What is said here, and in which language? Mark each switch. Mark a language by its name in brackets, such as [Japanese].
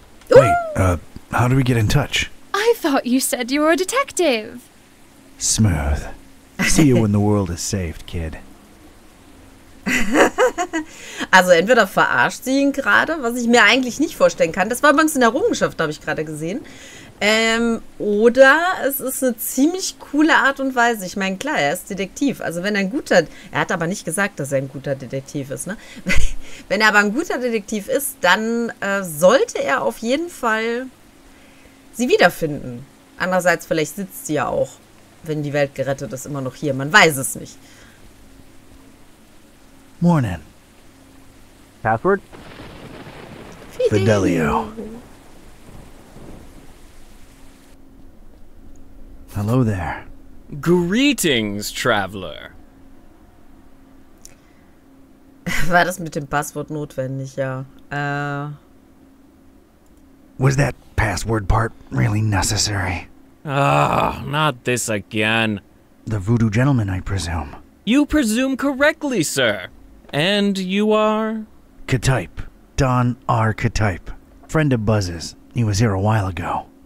[English] Wait, how do we get in touch? I thought you said you were a detective. Smooth. See you when the world is saved, kid. [German] Also entweder verarscht sie ihn gerade, was ich mir eigentlich nicht vorstellen kann. Das war übrigens in der Errungenschaft, habe ich gerade gesehen. Oder es ist eine ziemlich coole Art und Weise. Ich meine, klar, er ist Detektiv. Also wenn er ein guter... Er hat aber nicht gesagt, dass er ein guter Detektiv ist, ne? Wenn er aber ein guter Detektiv ist, dann sollte er auf jeden Fall sie wiederfinden. Andererseits, vielleicht sitzt sie ja auch. Wenn die Welt gerettet ist, immer noch hier. Man weiß es nicht. [English] Morning. Password? Fidelio. Hello there. Greetings, Traveler. [German] War das mit dem Passwort notwendig, ja? [English] Was that password part really necessary? Ugh, not this again. The voodoo gentleman, I presume. You presume correctly, sir. And you are? Katype. Don R. Katype. Friend of Buzz's. He was here a while ago.